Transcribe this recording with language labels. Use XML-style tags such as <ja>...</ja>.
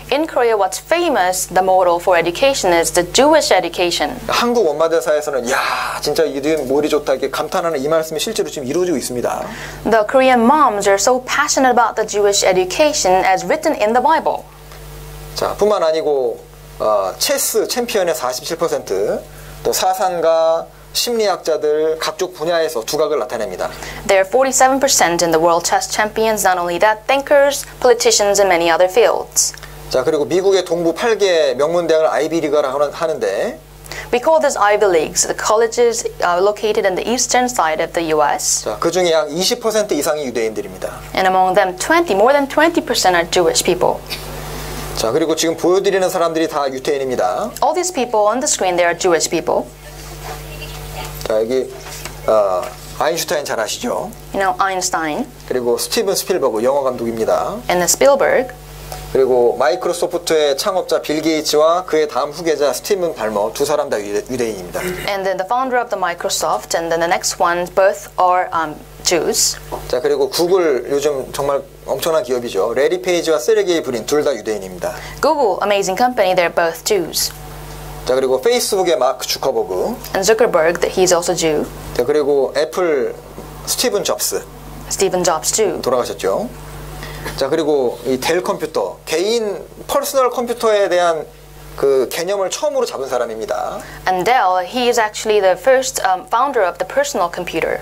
<en>In Korea, what's famous the model for education is the Jewish education.</en> <ko>한국 원마대사에서는 야 진짜 유대인 머리 좋다 이렇게 감탄하는 이 말씀이 실제로 지금 이루어지고 있습니다.</ko> <en>The Korean moms are so passionate about the Jewish education as written in the Bible.</en> <ko>자, 뿐만 아니고 체스 챔피언의 47%, 또 사상가, 심리학자들 각종 분야에서 두각을 나타냅니다.</ko> <en>There are 47% in the world chess champions. Not only that, thinkers, politicians, and many other fields.</en> <ko>자, 그리고 미국의 동부 8개 명문 대학을 아이비리그라고 하는데.</ko> <en>We call these Ivy Leagues, the colleges located in the eastern side of the U.S.</en> <ko>자, 그 중에 약 20% 이상이 유대인들입니다.</ko> <en>And among them, more than 20% are Jewish people.</en> <ko>자, 그리고 지금 보여드리는 사람들이 다 유태인입니다.</ko> <en>All these people on the screen, they are Jewish people.</en> <ko>자, 여기 아인슈타인 잘 아시죠?</ko> <en>You know, Einstein.</en> <ko>그리고 스티븐 스필버그, 영화 감독입니다.</ko> <en>And Spielberg.</en> <ko>그리고 마이크로소프트의 창업자 빌 게이츠와 그의 다음 후계자 스티븐 발머 두 사람 다 유대인입니다.</ko> <en>And then the founder of the Microsoft and then the next one, both are Jews.</en> <ko>자, 그리고 구글 요즘 정말 엄청난 기업이죠. 레리 페이지와 세르게이 브린 둘 다 유대인입니다.</ko> <en>Google, amazing company, they're both Jews.</en> <ko>자, 그리고 페이스북의 마크 주커버그.</ko> <en>And Zuckerberg, he's also Jew.</en> <ko>자, 그리고 애플 스티븐 잡스.</ko> <en>Steven Jobs, Jew.</en> <ko>돌아가셨죠. 자, 그리고 이 델 컴퓨터, 개인 퍼스널 컴퓨터에 대한 그 개념을 처음으로 잡은 사람입니다.</ko> <en>And Dell, he is actually the first founder of the personal computer.</en>